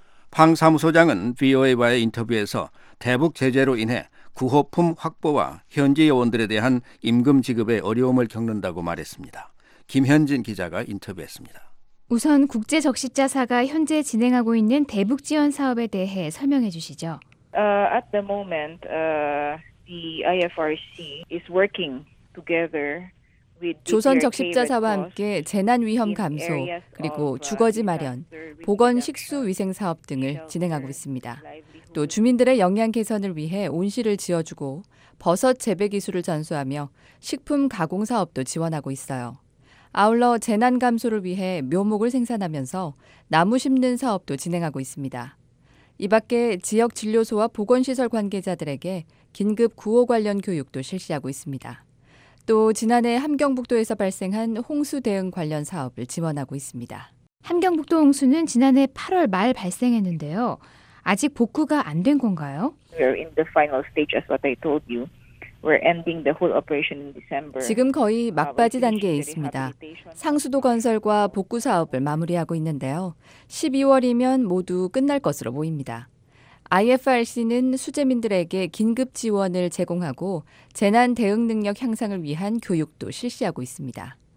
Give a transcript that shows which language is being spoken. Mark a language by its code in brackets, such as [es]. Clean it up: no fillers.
[ko] 팡 사무소장은 VOA와의 인터뷰에서 대북 제재로 인해 구호품 확보와 현지 요원들에 대한 임금 지급에 어려움을 겪는다고 말했습니다. 김현진 기자가 인터뷰했습니다. 우선 국제적십자사가 현재 진행하고 있는 대북 지원 사업에 대해 설명해 주시죠. [en] At the moment, the IFRC is working together. [ko] 조선 적십자사와 함께 재난 위험 감소, 그리고 주거지 마련, 보건 식수 위생 사업 등을 진행하고 있습니다. 또 주민들의 영양 개선을 위해 온실을 지어주고 버섯 재배 기술을 전수하며 식품 가공 사업도 지원하고 있어요. 아울러 재난 감소를 위해 묘목을 생산하면서 나무 심는 사업도 진행하고 있습니다. 이 밖에 지역 진료소와 보건시설 관계자들에게 긴급 구호 관련 교육도 실시하고 있습니다. 또 지난해 함경북도에서 발생한 홍수 대응 관련 사업을 지원하고 있습니다. 함경북도 홍수는 지난해 8월 말 발생했는데요. 아직 복구가 안 된 건가요? [en] We're in the final stage as what I told you. We're ending the whole operation in December. [ko] 지금 거의 막바지 단계에 있습니다. 상수도 건설과 복구 사업을 마무리하고 있는데요. 12월이면 모두 끝날 것으로 보입니다. IFRC는 수재민들에게 긴급 지원을 제공하고 재난 대응 능력 향상을 위한 교육도 실시하고 있습니다.